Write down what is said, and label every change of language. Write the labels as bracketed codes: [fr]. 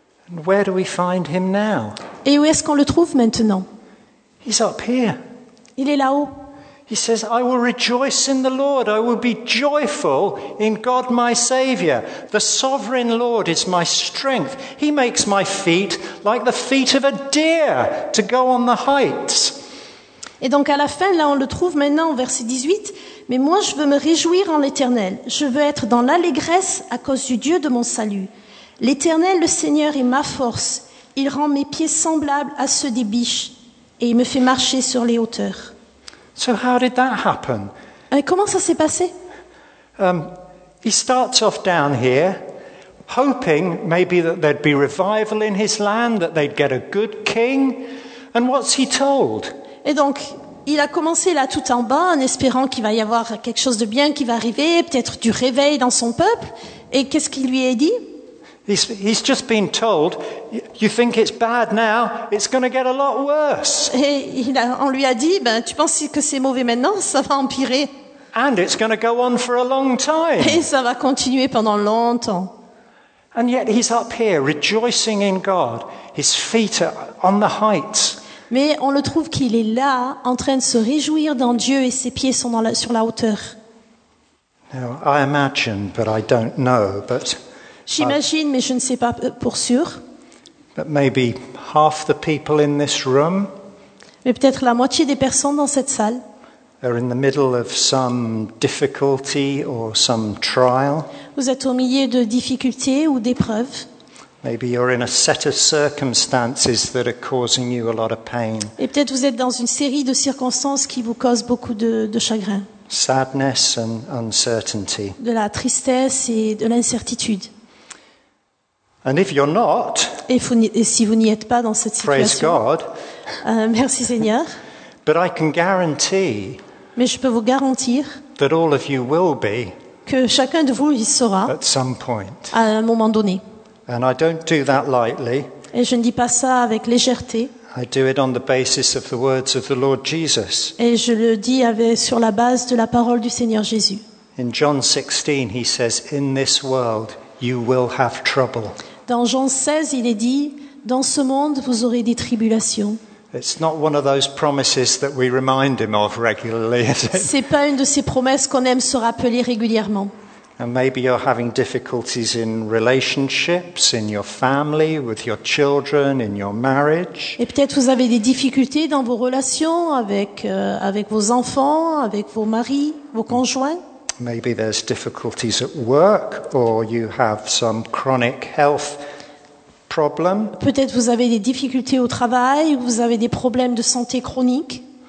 [en] And where do we find him now? [fr] Et où est-ce qu'on le trouve maintenant? [en] He's up here. [fr] Il est là-haut. [en] He says, "I will rejoice in the Lord. I will be joyful in God my Savior. The sovereign Lord is my strength. He makes my feet like the feet of a deer to go on the heights." [fr] Et donc à la fin, là on le trouve maintenant au verset 18, « Mais moi je veux me réjouir en l'Éternel. Je veux être dans l'allégresse à cause du Dieu de mon salut. L'Éternel, le Seigneur, est ma force. Il rend mes pieds semblables à ceux des biches et il me fait marcher sur les hauteurs. » [en] So how did that happen? [fr] Comment ça s'est passé? [en] He starts off down here, hoping maybe that there'd be revival in his land, that they'd get a good king. And what's he told? [fr] Et donc, il a commencé là tout en bas, en espérant qu'il va y avoir quelque chose de bien qui va arriver, peut-être du réveil dans son peuple. Et qu'est-ce qu'il lui a dit? [en] He's just been told, "You think it's bad now, it's going to get a lot worse." [fr] Et on lui a dit, ben, tu penses que c'est mauvais maintenant, ça va empirer. [en] And it's going to go on for a long time. [fr] Et ça va continuer pendant longtemps. [en] And yet he's up here, rejoicing in God. His feet are on the heights. [fr] Mais on le trouve qu'il est là, en train de se réjouir dans Dieu et ses pieds sont dans sur la hauteur. [en] Now, I imagine, but I don't know, but... [fr] J'imagine, mais je ne sais pas pour sûr. [en] But maybe half the people in this room, [fr] mais peut-être la moitié des personnes dans cette salle [en] are in the middle of some difficulty or some trial. [fr] Vous êtes au milieu de difficultés ou d'épreuves. [en] Maybe you're in a set of circumstances that are causing you a lot of pain. [fr] Et peut-être vous êtes dans une série de circonstances qui vous causent beaucoup de chagrin. [en] Sadness and uncertainty. [fr] De la tristesse et de l'incertitude. [en] And if you're not, [fr] et si vous n'y êtes pas dans cette situation, [en] praise God. [fr] Merci Seigneur. [en] But I can guarantee, [fr] mais je peux vous garantir, [en] that all of you will be, [fr] que chacun de vous y sera, [en] at some point, [fr] à un moment donné. [en] And I don't do that lightly. [fr] Et je ne dis pas ça avec légèreté. [en] I do it on the basis of the words of the Lord Jesus. [fr] Et je le dis sur la base de la parole du Seigneur Jésus. [en] In John 16, he says, "In this world, you will have trouble." [fr] Dans Jean 16, il est dit, dans ce monde, vous aurez des tribulations. [en] It's not one of those promises that we remind him of regularly, is it? [fr] C'est pas une de ces promesses qu'on aime se rappeler régulièrement. [en] And maybe you're having difficulties in relationships, in your family, with your children, in your marriage. [fr] Et peut-être vous avez des difficultés dans vos relations avec vos enfants, avec vos maris, vos conjoints. [en] Maybe there's difficulties at work, or you have some chronic health problem. [fr] Peut-être vous avez des difficultés au travail, ou vous avez des problèmes de santé chroniques.